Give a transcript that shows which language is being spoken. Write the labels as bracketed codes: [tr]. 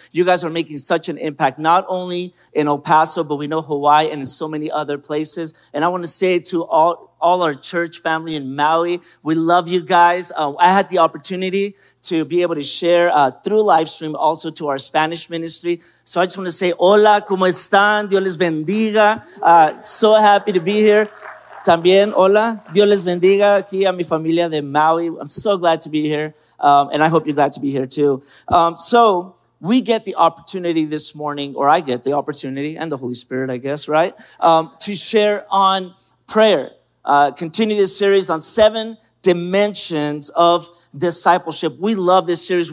[en] You guys are making such an impact, not only in El Paso, but we know Hawaii and in so many other places. And I want to say to all our church family in Maui, we love you guys. I had the opportunity to be able to share through live stream also to our Spanish ministry. So I just want to say, [es] hola, ¿cómo están? Dios les bendiga. [en] So happy to be here. [es] También, hola, Dios les bendiga aquí a mi familia de Maui. [en] I'm so glad to be here, and I hope you're glad to be here too. So we get the opportunity this morning, or I get the opportunity, and the Holy Spirit, I guess, right, to share on prayer, continue this series on seven dimensions of discipleship. We love this series.